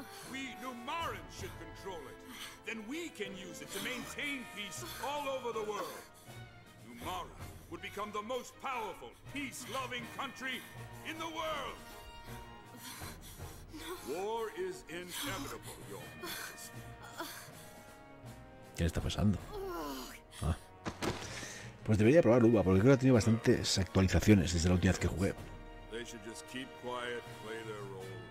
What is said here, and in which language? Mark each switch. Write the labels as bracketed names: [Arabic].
[English] We Numarans should control it. Then we can use it to maintain peace all over the world. Numara would become the most powerful, peace-loving country in the world. No. War is inevitable, Your Majesty. [Spanish] ¿Qué está pasando? Pues debería probar Uva, porque creo que ha tenido bastantes actualizaciones desde la última vez que jugué. [English] They should just keep quiet, play their role.